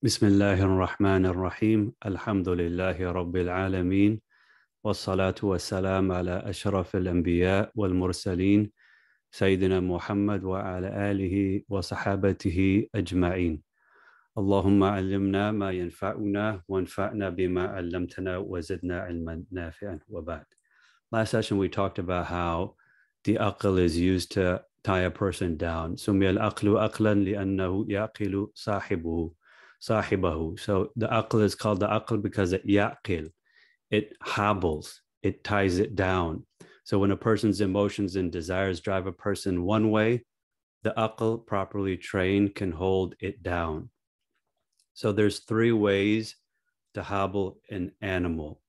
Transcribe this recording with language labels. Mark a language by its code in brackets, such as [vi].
[ar] بسم الله الرحمن الرحيم الحمد لله رب العالمين والصلاة والسلام على أشرف الأنبياء والمرسلين سيدنا محمد وعلى آله وصحابته أجمعين اللهم علمنا ما ينفعنا وانفعنا بما علمتنا وزدنا علما نافعا وبعد. [en] Last session we talked about how the aql is used to tie a person down. [ar] سمي الأقل أقلا لأنه يعقل صاحبه. Sahibahu. [en] So the aql is called the aql because it yaqil, it hobbles, it ties it down. So when a person's emotions and desires drive a person one way, the aql properly trained can hold it down. So there's three ways to hobble an animal.